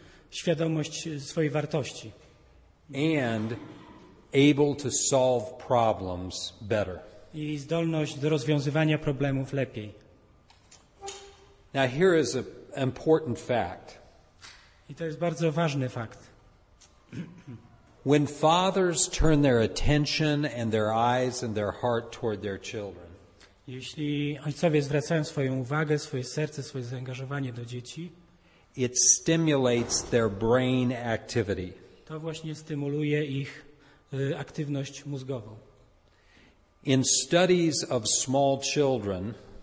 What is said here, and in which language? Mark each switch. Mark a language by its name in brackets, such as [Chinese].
[Polish] Świadomość swojej wartości. [English] And able to solve problems better. [Polish] I zdolność do rozwiązywania problemów lepiej. [English] Now here is an important fact. [Polish] I to jest bardzo ważny fakt. [English] When fathers turn their attention and their eyes and their heart toward their children. [Polish] Jeśli ojcowie zwracają swoją uwagę, swoje serce, swoje zaangażowanie do dzieci, [English] it stimulates their brain activity. [Polish] To właśnie stymuluje ich aktywność mózgową. [English] In studies of small children,